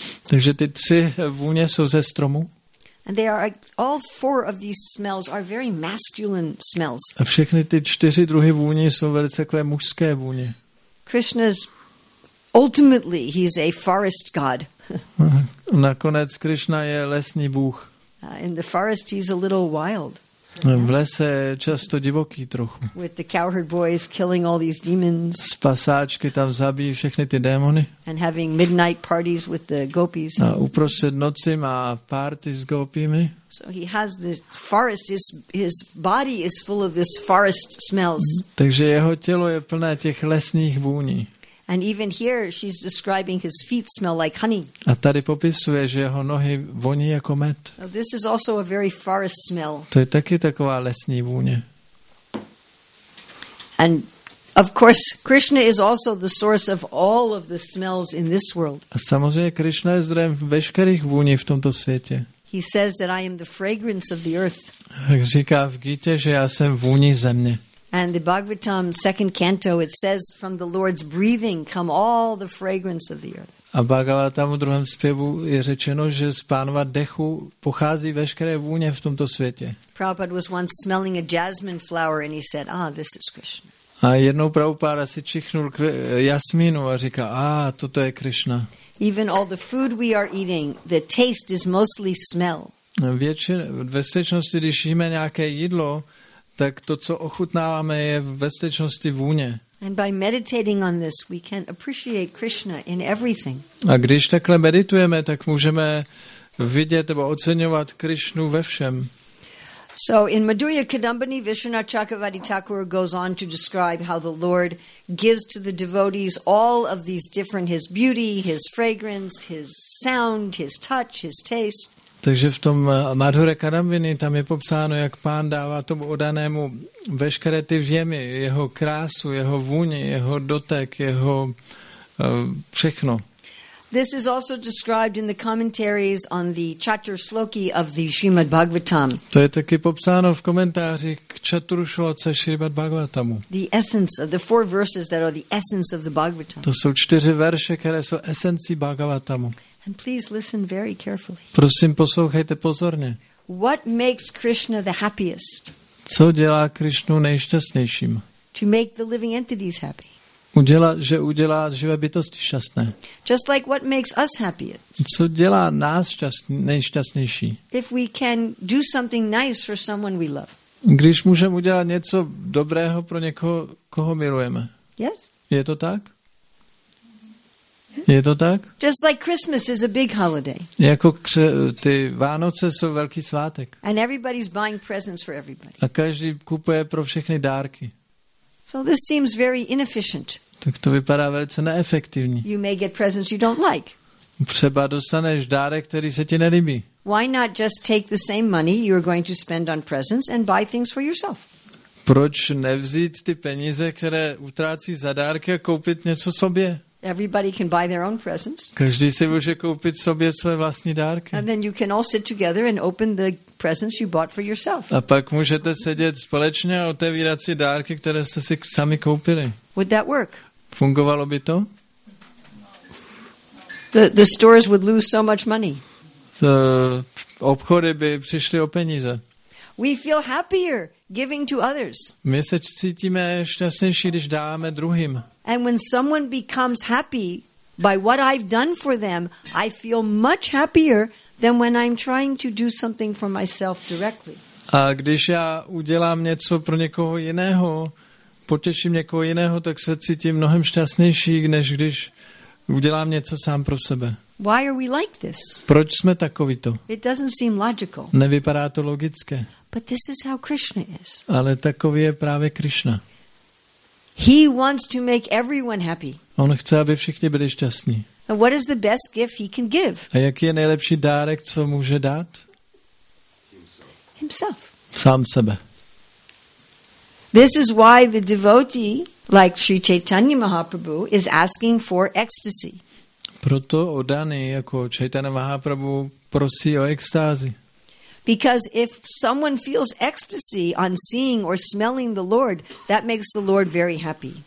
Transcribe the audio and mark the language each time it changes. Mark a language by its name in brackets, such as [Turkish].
[Czech] Takže ty tři vůně jsou ze stromu. [English] And they are all four of these smells are very masculine smells. [Czech] A všechny ty čtyři druhy vůně jsou velice takové mužské vůně. [English] Krishna's ultimately he's a forest god. [Czech] Nakonec Krishna je lesní bůh. [English] In the forest he's a little wild. [Czech] V lese je často divoký trochu. [English] With the cowherd boys killing all these demons. [Czech] S pasáčky tam zabijí všechny ty démony. [English] And having midnight parties with the gopis. [Czech] A uprostřed noci má party s gopími. [English] So he has this forest, his body is full of this forest smells. [Czech] Takže jeho tělo je plné těch lesních vůní. [English] And even here she's describing his feet smell like honey. [Czech] A tady popisuje, že jeho nohy voní jako med. [English] This is also a very forest smell. [Czech] To je taky taková lesní vůně. [English] And Of course, Krishna is also the source of all of the smells in this world. [Czech] A samozřejmě Krishna je zdrojem veškerých vůní v tomto světě. [English] He says that I am the fragrance of the earth. [Czech] Říká v Gita, že já jsem vůní země. [English] And the Bhagavatam second canto, it says, from the Lord's breathing come all the fragrance of the earth. [Czech] A Bhagavatam v druhém zpěvu je řečeno, že z pánova dechu pochází veškeré vůně v tomto světě. [English] Prabhupada was once smelling a jasmine flower and he said, ah, this is Krishna. [Czech] A jednou Prabhupada si čichnul k jasmínu a říká, toto je Krishna. [English] Even all the food we are eating, the taste is mostly smell. [Czech] Ve skutečnosti, když jíme nějaké jídlo, tak to, co ochutnáváme, je ve skutečnosti vůně. [English] And by meditating on this, we can appreciate Krishna in everything. [Czech] A když takhle meditujeme, tak můžeme vidět nebo oceňovat Krishnu ve všem. [English] So in Madhurya Kadambini, Vishwanatha Chakravarti Thakur goes on to describe how the Lord gives to the devotees all of these different, his beauty, his fragrance, his sound, his touch, his taste. [Czech] Takže v tom Madhurya Kadambini tam je popsáno, jak pán dává tomu odanému veškeré ty vjemy, jeho krásu, jeho vůni, jeho dotek, jeho všechno. [English] This is also described in the commentaries on the Chatur Shloki of the Srimad Bhagavatam. [Czech] To je taky popsáno v komentářích k Chaturu Shloce Srimad Bhagavatamu. [English] The essence of the four verses that are the essence of the Bhagavatam. [Czech] To jsou čtyři verše, které jsou esencí Bhagavatamu. [English] And please listen very carefully. [Czech] Prosím, poslouchejte pozorně. [English] What makes Krishna the happiest? [Czech] Co dělá Krishnu nejšťastnějším? [English] To make the living entities happy. [Czech] Udělá živé bytosti šťastné. [English] Just like what makes us happiest. [Czech] Co dělá nás nejšťastnější? [English] If we can do something nice for someone we love. [Czech] Když můžeme udělat něco dobrého pro někoho, koho milujeme. [English] Yes. [Czech] Je to tak? Je to tak? [English] Just like Christmas is a big holiday. [Czech] Jako ty Vánoce jsou velký svátek. [English] And everybody's buying presents for everybody. [Czech] A každý kupuje pro všechny dárky. [English] So this seems very inefficient. [Czech] Tak to vypadá velice neefektivně. [English] You may get presents you don't like. [Czech] Třeba dostaneš dárek, který se ti nelíbí. [English] Why not just take the same money you're going to spend on presents and buy things for yourself? [Czech] Proč nevzít ty peníze, které utrácíš za dárky, a koupit něco sobě? [English] Everybody can buy their own presents. [Czech] Každý si může koupit sobě své vlastní dárky. [English] And then you can all sit together and open the presents you bought for yourself. [Czech] A pak můžete sedět společně a otevírat si dárky, které jste si sami koupili. [English] Would that work? [Czech] Fungovalo by to? [English] The stores would lose so much money. [Czech] Obchody by přišly o peníze. [English] We feel happier giving to others. [Czech] My se cítíme šťastnější, když dáváme druhým. [English] And when someone becomes happy by what I've done for them, I feel much happier than when I'm trying to do something for myself directly. [Czech] A když já udělám něco pro někoho jiného, potěším někoho jiného, tak se cítím mnohem šťastnější, než když udělám něco sám pro sebe. [English] Why are we like this? [Czech] Proč jsme takovíto? [English] It doesn't seem logical. [Czech] Nevypadá to logické. [English] But this is how Krishna is. [Czech] Ale takový je právě Krishna. [English] He wants to make everyone happy. [Czech] On chce, aby všichni byli šťastní. [English] And what is the best gift he can give? [Czech] A jaký je nejlepší dárek, co může dát? [English] Himself. [Czech] Sám sebe. [English] This is why the devotee, like Sri Chaitanya Mahaprabhu, is asking for ecstasy. [Czech] Proto oddaný jako Chaitanya Mahaprabhu prosí o extázi. [English] Because if someone feels ecstasy on seeing or smelling the Lord, that makes the Lord very happy.